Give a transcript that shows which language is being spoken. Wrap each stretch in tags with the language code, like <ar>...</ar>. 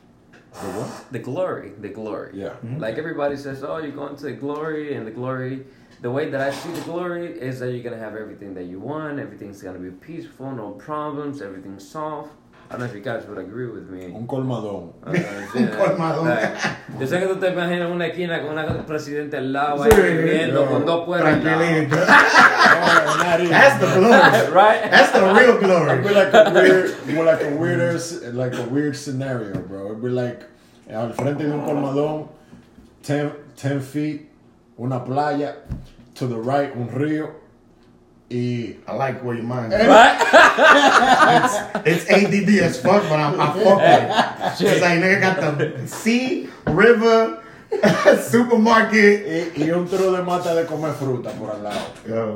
<en>The what? The glory. The glory. Yeah. Mm-hmm. Like everybody says, oh, you're going to the glory, and the glory, the way that I see the glory is that you're going to have everything that you want, everything's going to be peaceful, no problems, everything's soft. I don't know if you guys would agree with me.</en> <es>Un colmadón. Un colmadón. Yo sé que tú te imaginas una esquina con un presidente al lado, ahí viviendo con dos puertas. Tranquilito.</es> <en>That's the glory. Right? That's the real glory. It'd be like a weird, more like a weirder, like a weird scenario, bro. It'd be like,</en> <es>al frente de un colmadón,</es> <en>10 feet,</en> <es>una playa,</es> <en>to the right,</en> <es>un río.</es> <en>I like where your mind is. What? It's ADD as fuck, but I fuck with it. It's like, nigga, got the sea, river, supermarket.</en> <es>Y un trozo de mata de comer fruta por al lado.</es>